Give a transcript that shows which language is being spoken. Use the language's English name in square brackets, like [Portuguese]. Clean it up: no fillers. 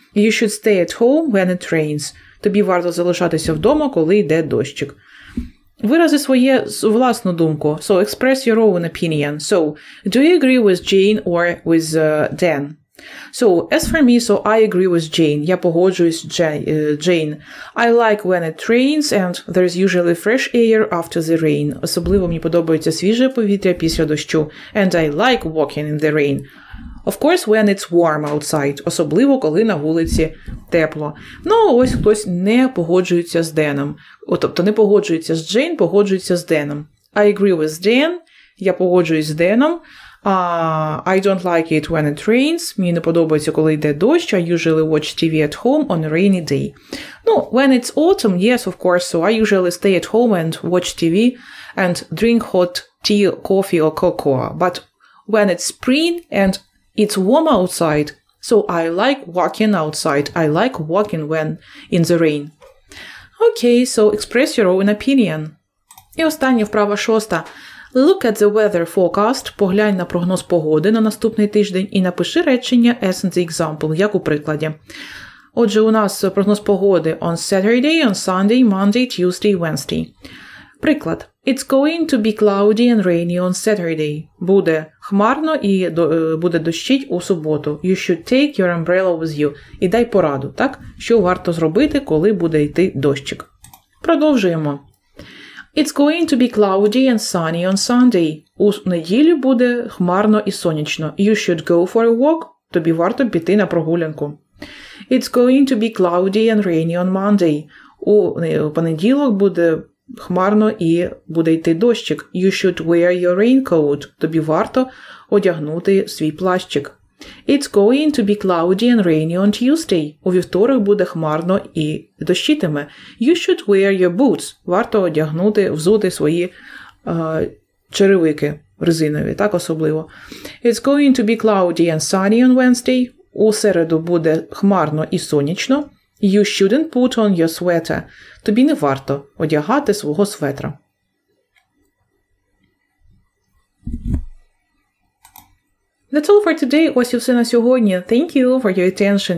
[English] You should stay at home when it rains. [Ukrainian] Тобі варто залишатися вдома, коли йде дощик. Вирази своє власну думку. [English] So, express your own opinion. So, do you agree with Jane or with Dan? So, as for me, so I agree with Jane. [Ukrainian] Я погоджуюсь з Джейн. [English] I like when it rains and there's usually fresh air after the rain. [Ukrainian] Особливо мені подобається свіже повітря після дощу. [English] And I like walking in the rain. Of course, when it's warm outside. [Ukrainian] Особливо, коли на вулиці тепло. Ну, ось хтось не погоджується з Деном. Тобто, не погоджується з Джейн, погоджується з Деном. [English] I agree with Dan. [Ukrainian] Я погоджуюсь з Деном. [English] I don't like it when it rains. [Ukrainian] Мені не подобається, коли йде дощ. [English] I usually watch TV at home on a rainy day. [Ukrainian] Ну, [English] when it's autumn, yes, of course. So, I usually stay at home and watch TV and drink hot tea, coffee or cocoa. But when it's spring and it's warm outside, so I like walking outside. I like walking when in the rain. Okay, so express your own opinion. [Ukrainian] І остання вправа шоста. [English] Look at the weather forecast. [Ukrainian] Поглянь на прогноз погоди на наступний тиждень і напиши речення [English] as in the example, [Ukrainian] як у прикладі. Отже, у нас прогноз погоди [English] on Saturday, on Sunday, Monday, Tuesday, Wednesday. [Ukrainian] Приклад. [English] It's going to be cloudy and rainy on Saturday. [Ukrainian] Буде хмарно і буде дощить у суботу. [English] You should take your umbrella with you. [Ukrainian] І дай пораду, так? Що варто зробити, коли буде йти дощик. Продовжуємо. [English] It's going to be cloudy and sunny on Sunday. [Ukrainian] У неділю буде хмарно і сонячно. [English] You should go for a walk. [Ukrainian] Тобі варто піти на прогулянку. [English] It's going to be cloudy and rainy on Monday. [Ukrainian] У понеділок буде хмарно і буде йти дощик. [English] You should wear your raincoat. [Ukrainian] Тобі варто одягнути свій плащик. [English] It's going to be cloudy and rainy on Tuesday. [Ukrainian] У вівторок буде хмарно і дощитиме. [English] You should wear your boots. [Ukrainian] Варто одягнути, взути свої черевики резинові, так особливо. [English] It's going to be cloudy and sunny on Wednesday. [Ukrainian] У середу буде хмарно і сонячно. [English] You shouldn't put on your sweater. [Ukrainian] Тобі не варто одягати свого светра. [English] That's all for today. [Ukrainian] Ось і все на сьогодні. [English] Thank you for your attention.